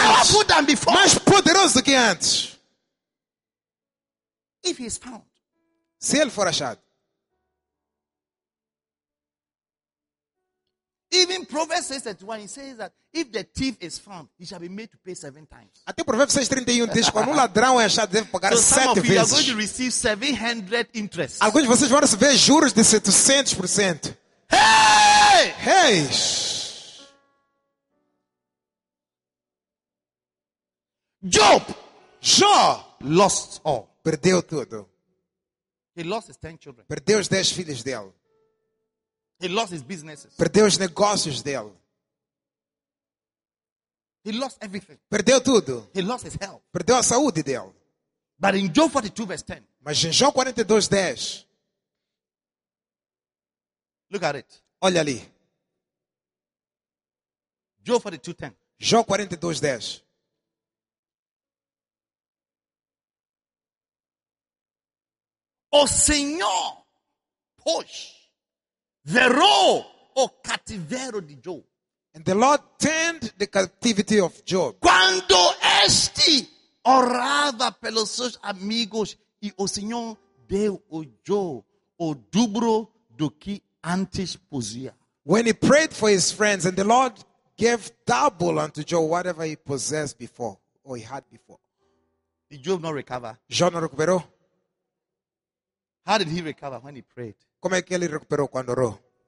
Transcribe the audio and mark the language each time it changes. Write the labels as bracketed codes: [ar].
[en] Powerful than before. [pt] Mais poderoso do que antes. [en] If he is found. [pt] Se ele for achado. [en] Even Proverbs 6:31 says that if the thief is found, he shall be made to pay seven times. [pt] Até Provérbios 6:31 diz que quando um ladrão é achado, deve pagar [en] so [pt] sete [en] some of [pt] vezes. [en] You are going to receive 700 interest. [pt] Alguns de vocês vão receber juros de 700%. Hey! Hey! Job! Job! [en] Lost all. [pt] Perdeu tudo. [en] He lost his 10 children. [pt] Perdeu os 10 filhos dele. [en] He lost his businesses. [pt] Perdeu os negócios dele. [en] He lost everything. [pt] Perdeu tudo. [en] He lost his health. [pt] Perdeu a saúde dele. [en] But in Job 42 verse 10. [pt] Mas em Job 42 10. [en] Look at it. [pt] Olha ali. Job 42 10. Job 42 10. O Senhor pôs verou o cativeiro de Job. [en] And the Lord turned the captivity of Job. [pt] Quando este orava pelos seus amigos e o Senhor deu o Job o dobro do que antes possuía. [en] When he prayed for his friends and the Lord gave double unto Job whatever he possessed before or he had before. Did Job not recover? [pt] Job não recuperou? [en] How did he recover when he prayed? [pt] Como é que ele recuperou quando orou?